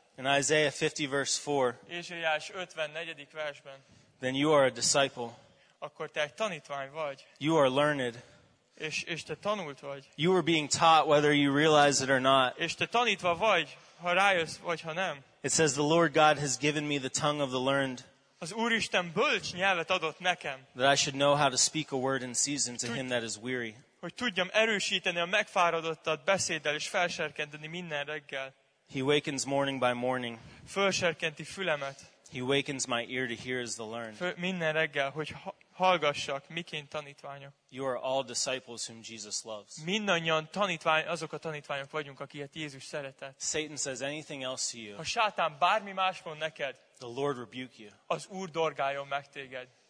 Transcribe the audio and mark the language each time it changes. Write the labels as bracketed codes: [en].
[en] In Isaiah 50 verse 4. [hu] Ézsaiás 54. versben. [en] Then you are a disciple. [hu] Akkor te egy tanítvány vagy. [en] You are learned. [hu] És te tanult vagy. [en] You are being taught whether you realize it or not. [hu] És te tanítva vagy, ha rájössz vagy ha nem. [en] It says the Lord God has given me the tongue of the learned. [hu] Az Úristen bölcs nyelvet adott nekem. [en] That I should know how to speak a word in season to him that is weary. [hu] Hogy tudjam erősíteni a megfáradottat beszéddel és felserkenteni minden reggel. [en] He wakens morning by morning. [hu] Felserkenti fülemet. [en] He wakens my ear to hear as the learned. [hu] Minden reggel, hogy hallgassak, miként tanítványok. [en] You are all disciples whom Jesus loves. [hu] Mindannyian tanítvány, azok a tanítványok vagyunk, akiket Jézus szeretett. [en] Satan says anything else to you. [hu] Ha Sátán bármi más mond neked, [en] the Lord rebuke you. [hu] Az Úr dorgáljon meg téged.